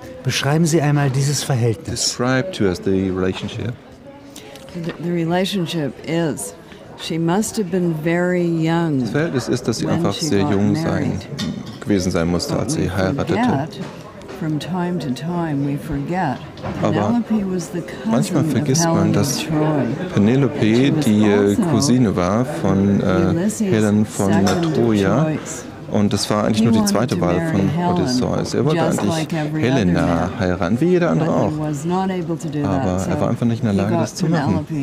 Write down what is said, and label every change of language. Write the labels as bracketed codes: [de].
[de] Beschreiben Sie einmal dieses Verhältnis. [en] Describe to us the relationship. The relationship is, she must have been very young. [de] Das Verhältnis ist, dass sie einfach sehr jung gewesen sein musste, als sie heiratete. [en] From time to time we forget. [de] Aber manchmal vergisst man, dass Penelope die Cousine war von Helen von Troja. Und das war eigentlich nur die zweite Wahl von Odysseus. Er wollte eigentlich Helena heiraten, wie jeder andere auch. Aber er war einfach nicht in der Lage, das zu machen.